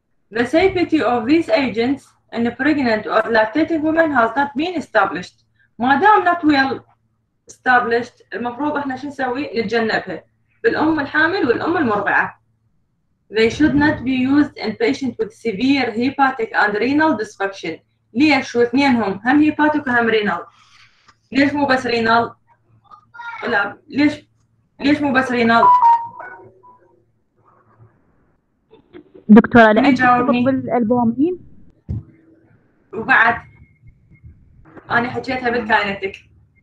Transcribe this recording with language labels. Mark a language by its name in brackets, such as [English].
[English] The safety of these agents in pregnant or lactating women has not been established. [Arabic] ما دام [English] not well established, [Arabic] المفروض احنا شو نسوي؟ نتجنبها بالأم الحامل والأم المرضعة. [English] They should not be used in patients with severe hepatic and renal dysfunction. [Arabic] ليش؟ واثنينهم هم hepatic وهم renal. ليش مو بس renal؟ لا ليش مو بس renal؟ دكتورة لأنت تطبق بالألبومين وبعد أنا حكيتها بالكاينتك